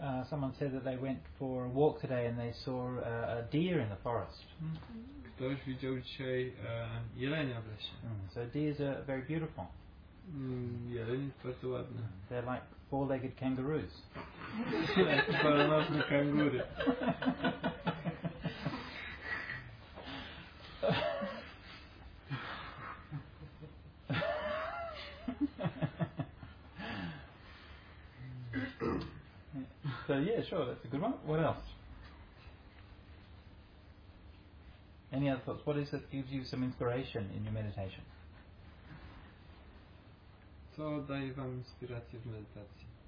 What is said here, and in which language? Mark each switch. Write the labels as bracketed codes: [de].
[en] Someone said that they went for a walk today and they saw a deer in the forest. Mm-hmm. [pl] ktoś widział dzisiaj jelenia w lesie. [en] So deers are very beautiful. [pl] Jeleń jest bardzo ładny. [en] They're like four-legged kangaroos. [pl] Czworonożne kangury. [en] So yeah, sure, that's a good one. What else? Any other thoughts? What is it that gives you some inspiration in your meditation? [pl] Co daje wam inspirację w medytacji?